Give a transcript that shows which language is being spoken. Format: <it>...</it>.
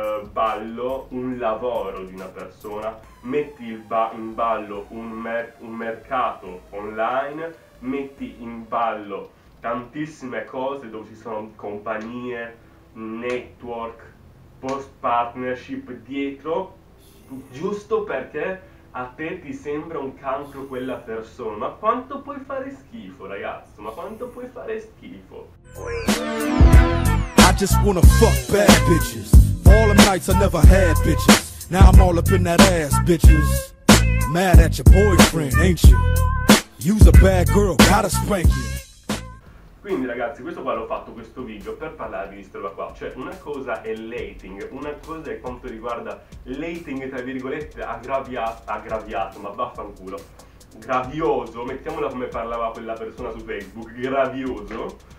<it>ballo un lavoro di una persona, metti in ballo un mercato online, metti in ballo tantissime cose dove ci sono compagnie, network, post partnership dietro, giusto perché a te ti sembra un cancro quella persona. Ma quanto puoi fare schifo, ragazzo? Ma quanto puoi fare schifo?</it> <en>I just wanna fuck bad bitches. All them nights I never had bitches. Now I'm all up in that ass, bitches. Mad at your boyfriend, ain't you? You's a bad girl, gotta spank you.</en> <it>Quindi ragazzi, questo qua l'ho fatto, questo video, per parlare di questa roba qua. Cioè, una cosa è l'hating, una cosa è quanto riguarda l'hating, tra virgolette, aggraviato, ma vaffanculo. Gravioso, mettiamola come parlava quella persona su Facebook, gravioso.</it>